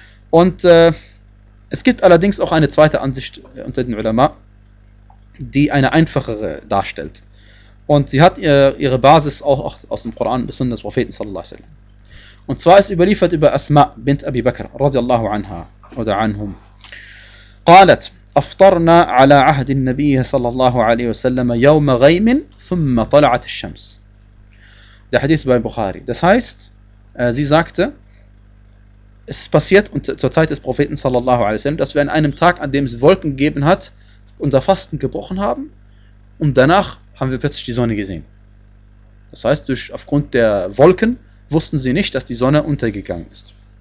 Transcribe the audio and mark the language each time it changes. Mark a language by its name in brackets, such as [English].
[German] Und es gibt allerdings auch eine zweite Ansicht unter den Ulama, die eine einfachere darstellt. Und sie hat ihre Basis auch aus dem Koran, besonders des Propheten sallallahu alaihi wa sallam. Und zwar ist überliefert über Asma bint Abi Bakr, radiallahu anha, oder anhum. [Arabic] قالت أفطرنا على عهد النبي صلى الله عليه وسلم يوم غيم ثم طلعت الشمس. [German] Der Hadith bei Bukhari. Das heißt, sie sagte, es ist passiert zur Zeit des Propheten صلى الله عليه وسلم, dass wir an einem Tag, an dem es Wolken gegeben hat, unser Fasten gebrochen haben und danach haben wir plötzlich die Sonne gesehen. Das heißt, aufgrund der Wolken wussten sie nicht, dass die Sonne untergegangen ist.